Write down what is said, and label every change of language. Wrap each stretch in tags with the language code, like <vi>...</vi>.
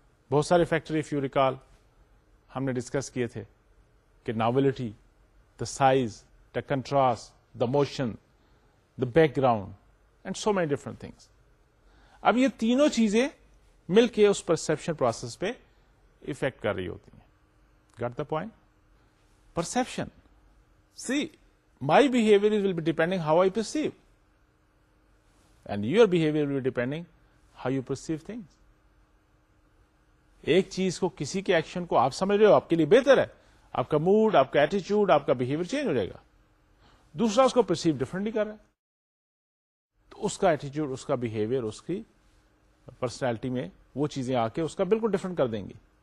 <ur>بہت سارے factor</ur> <en>if you recall</en> <ur>ہم نے ڈسکس کیے تھے کہ</ur> <en>Novelty, the size, the contrast, the motion, the background and so many different things.</en> <ur>اب یہ تینوں چیزیں مل کے اس پرسپشن پروسیس پہ افیکٹ کر رہی ہوتی ہیں.</ur> <en>Got the point?</en> <ur>Perception.</ur> <en>See, my behavior will be depending how I perceive. And your behavior will be depending how you perceive things.</en> <ur>ایک چیز کو کسی کے ایکشن کو آپ سمجھ رہے ہو آپ کے لیے بہتر ہے, آپ کا موڈ, آپ کا ایٹیچیوڈ, آپ کا بہیویئر چینج ہو جائے گا, دوسرا اس کو پرسیو ڈفرینٹلی کر رہا ہے تو اس کا ایٹیچیوڈ, اس کا بہیویئر, اس کی پرسنالٹی میں وہ چیزیں آ کے اس کا بالکل ڈفرینٹ کر دیں گی.</ur>